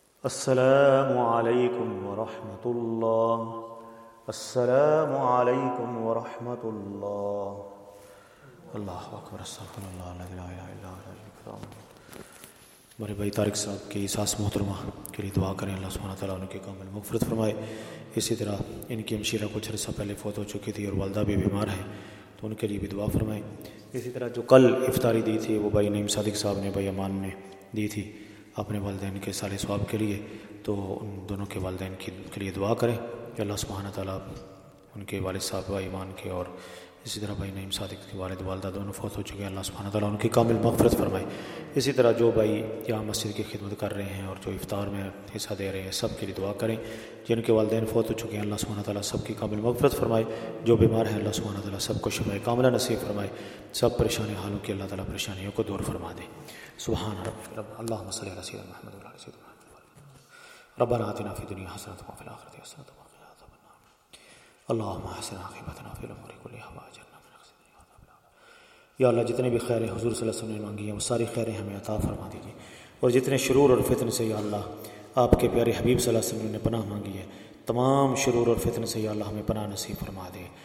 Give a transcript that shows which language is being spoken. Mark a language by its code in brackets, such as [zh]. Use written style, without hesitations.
[ar] السلام عليكم ورحمة الله. السلام عليكم ورحمة الله. الله أكبر. استغفر الله لا إله إلا الله الكرام. [ur] میرے بھائی طارق صاحب کے احساس محترمہ کے لیے دعا کریں اللہ سبحانہ تعالیٰ ان کے کامل مغفرت فرمائے. اسی طرح ان کی ہمشیرہ کچھ عرصہ پہلے فوت ہو چکی تھی اور والدہ بھی بیمار ہے تو ان کے لیے بھی دعا فرمائیں. اسی طرح جو کل افطاری دی تھی وہ بھائی نعیم صادق صاحب نے بھائی امان نے دی تھی اپنے والدین کے سالے ثواب کے لیے, تو ان دونوں کے والدین کے لیے دعا کریں کہ اللہ سبحانہ تعالیٰ ان کے والد صاحب بھائی ایمان کے اور اسی طرح بھائی نعیم صادق کے والد والدہ دونوں فوت ہو چکے ہیں, اللہ سبحانہ تعالیٰ ان کی کامل مغفرت فرمائے. اسی طرح جو بھائی یہاں مسجد کی خدمت کر رہے ہیں اور جو افطار میں حصہ دے رہے ہیں سب کے لیے دعا کریں. جن کے والدین فوت ہو چکے ہیں اللہ سبحانہ تعالیٰ سب کی کامل مغفرت فرمائے. جو بیمار ہیں اللہ سبحانہ تعالیٰ سب کو شفائے کاملہ نصیب فرمائے. سب پریشان حالوں کی اللہ تعالیٰ پریشانیوں کو دور فرما دے. [ar] سبحان ربک رب اللهم صل على سيدنا محمد وعلى آل سيدنا محمد. ربنا آتنا في الدنيا حسنة وفي الآخرة حسنة وقنا عذاب النار. اللهم احسن عاقبتنا في الأمور كلها واجرنا من خزي الدنيا وعذاب النار. [ur] یا اللہ جتنے بھی خیریں حضور صلی اللہ علیہ وسلم نے مانگی ہیں وہ ساری خیریں ہمیں عطا فرما دیجیے, اور جتنے شرور اور فتن سے یا اللہ آپ کے پیارے حبیب صلی اللہ علیہ وسلم نے پناہ مانگی ہے تمام شرور اور فتن سے یا اللہ ہمیں پناہ نصیب فرما دے.